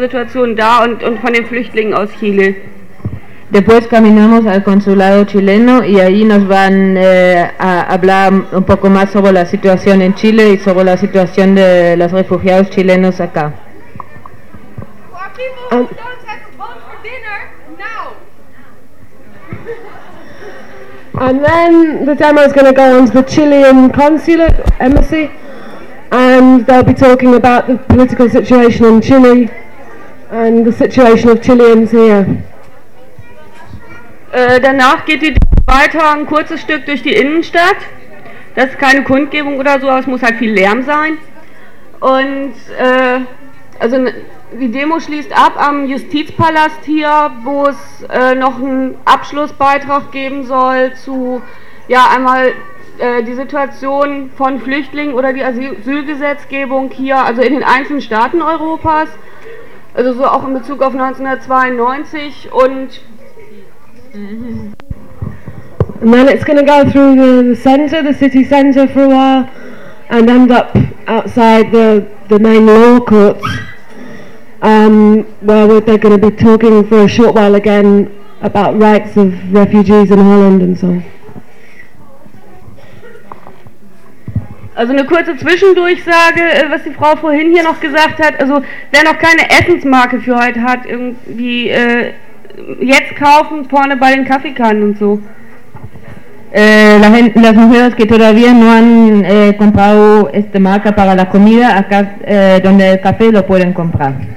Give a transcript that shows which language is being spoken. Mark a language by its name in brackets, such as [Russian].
[German] Situation da und von den Flüchtlingen aus Chile. [Spanish] Después caminamos al consulado chileno y ahí nos van a hablar un poco más sobre la situación en Chile y sobre la situación de los refugiados chilenos acá. [English] And then the demo is going to go on to the Chilean consulate embassy and they'll be talking about the political situation in Chile and the situation of Chileans here. [German] Danach geht die Demo weiter ein kurzes Stück durch die Innenstadt. Das ist keine Kundgebung oder so, aber es muss halt viel Lärm sein. Und also die Demo schließt ab am Justizpalast hier, wo es noch einen Abschlussbeitrag geben soll zu ja einmal die Situation von Flüchtlingen oder die Asylgesetzgebung hier, also in den einzelnen Staaten Europas, also so auch in Bezug auf 1992 und [English] then it's going to go through the center, the city center for a while and end up outside the main law courts. Where they're going to be talking for a short while again about rights of refugees in Holland and so. [German] Also eine kurze Zwischendurchsage, was die Frau vorhin hier noch gesagt hat, also wer noch keine Essensmarke für heute hat, irgendwie jetzt kaufen vorne bei den Kaffeekannen und so. [Spanish] Las mujeres que todavía no han comprado esta marca para la comida acá donde el café lo pueden comprar.